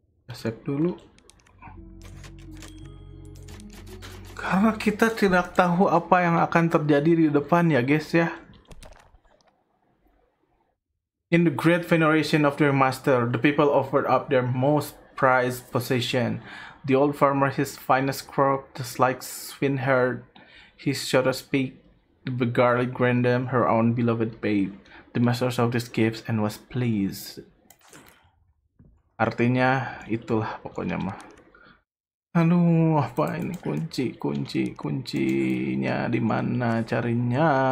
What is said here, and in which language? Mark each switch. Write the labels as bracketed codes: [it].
[id] Ya save dulu. Karena kita tidak tahu apa yang akan terjadi di depan ya guys ya. [en] In the great veneration of their master, the people offered up their most prized possession. The old farmer, his finest crop, the sleek swineherd, his shortest pig, the beggarly grandam, her own beloved babe. The master saw these gifts and was pleased. [id] Artinya itulah pokoknya mah. Aduh, apa ini kunci, kunci, kuncinya di mana carinya?